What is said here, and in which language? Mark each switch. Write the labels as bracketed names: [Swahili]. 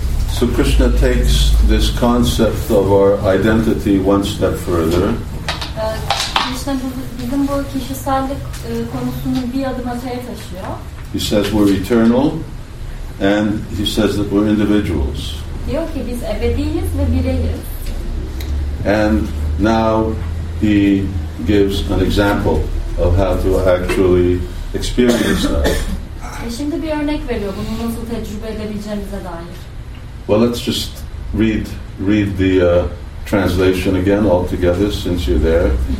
[English] So Krishna takes this concept of our identity one step further. [Turkish] Krishna bizim bu kişisellik konusunu bir adım öteye taşıyor. [English] He says we're eternal and he says that we're individuals. [Turkish] Diyor ki biz ebediyiz ve bireyiz. [English] And now he gives an example of how to actually experience that. [Turkish] Şimdi bir örnek veriyor bunu nasıl tecrübe edebileceğimize dair. [English] Well, let's just read the translation again all together since you're there.